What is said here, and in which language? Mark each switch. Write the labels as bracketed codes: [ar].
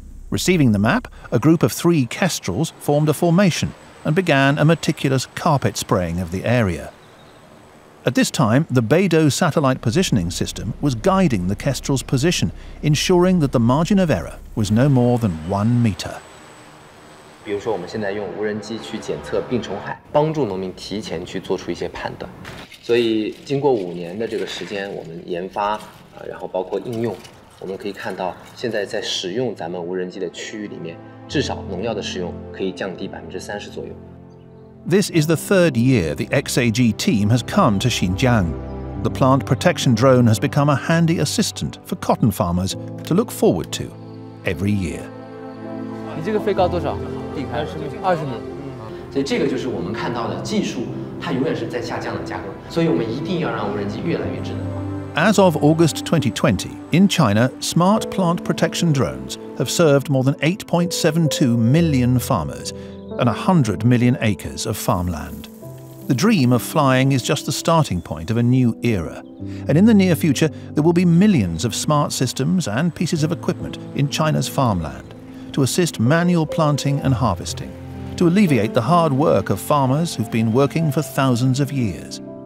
[en] Receiving the map, a group of three Kestrels formed a formation and began a meticulous carpet spraying of the area. At this time, the Beidou satellite positioning system was guiding the Kestrel's position, ensuring that the margin of error was no more than 1 meter. [zh] 比如说我们现在用无人机去检测病虫害，帮助农民提前去做出一些判断。所以经过五年的这个时间，我们研发，然后包括应用，我们可以看到现在在使用咱们无人机的区域里面，至少农药的使用可以降低30%左右。 [en] This is the third year the XAG team has come to Xinjiang. The plant protection drone has become a handy assistant for cotton farmers to look forward to every year. [zh] 你这个飞高多少？底盘是 20米。所以这个就是我们看到的技术，它永远是在下降的价格。所以我们一定要让无人机越来越智能化。 [en] As of August 2020, in China, smart plant protection drones have served more than 8.72 million farmers and 100 million acres of farmland. The dream of flying is just the starting point of a new era. And in the near future, there will be millions of smart systems and pieces of equipment in China's farmland to assist manual planting and harvesting, to alleviate the hard work of farmers who've been working for thousands of years.